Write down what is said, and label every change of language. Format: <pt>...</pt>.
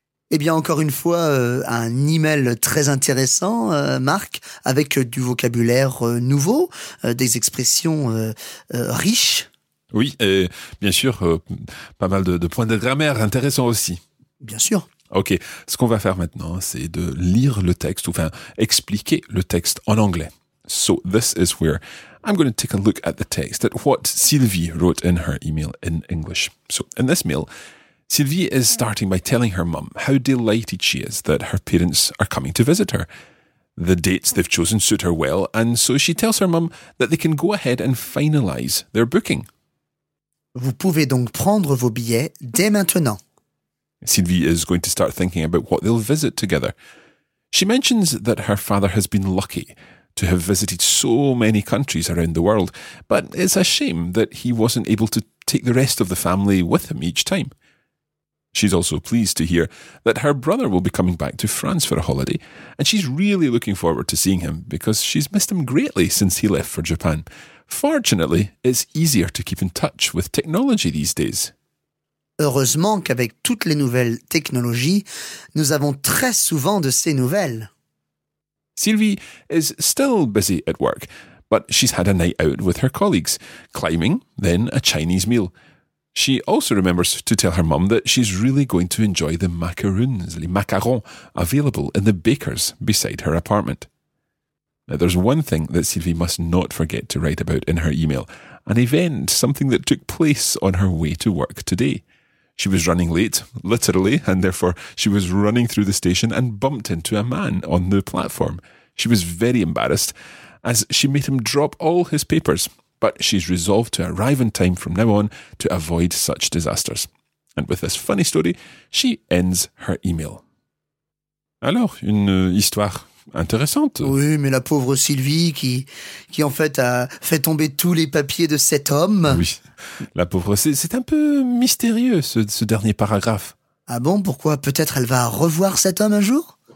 <fr>Eh bien, encore une fois, un email très intéressant, Marc, avec du vocabulaire nouveau, des expressions riches. Oui, et bien sûr, pas mal de points de grammaire intéressants aussi. Bien sûr. Ok, ce qu'on va faire maintenant, c'est de lire le texte, enfin, expliquer le texte en anglais.</fr> <en>So, this is where I'm going to take a look at the text, at what Sylvie wrote in her email in English. So, in this mail, Sylvie is starting by telling her mum how delighted she is that her parents are coming to visit her. The dates they've chosen suit her well, and so she tells her mum that they can go ahead and finalise their booking.</en> <fr>Vous pouvez donc prendre vos billets dès maintenant.</fr> <en>Sylvie is going to start thinking about what they'll visit together. She mentions that her father has been lucky to have visited so many countries around the world, but it's a shame that he wasn't able to take the rest of the family with him each time. She's also pleased to hear that her brother will be coming back to France for a holiday, and she's really looking forward to seeing him because she's missed him greatly since he left for Japan. Fortunately, it's easier to keep in touch with technology these days.</en> <fr>Heureusement qu'avec toutes les nouvelles technologies, nous avons très souvent de ces nouvelles.</fr> <en>Sylvie is still busy at work, but she's had a night out with her colleagues, climbing, then a Chinese meal. She also remembers to tell her mum that she's really going to enjoy the macaroons, les macarons, available in the bakers beside her apartment. Now, there's one thing that Sylvie must not forget to write about in her email, an event, something that took place on her way to work today. She was running late, literally, and therefore she was running through the station and bumped into a man on the platform. She was very embarrassed, as she made him drop all his papers. But she's resolved to arrive in time from now on to avoid such disasters. And with this funny story, she ends her email.</en> <fr>Alors, une histoire intéressante. Oui, mais la pauvre Sylvie qui en fait a fait tomber tous les papiers de cet homme. Oui, la pauvre, c'est un peu mystérieux ce dernier paragraphe. Ah bon, pourquoi? Peut-être elle va revoir cet homme un jour?</fr>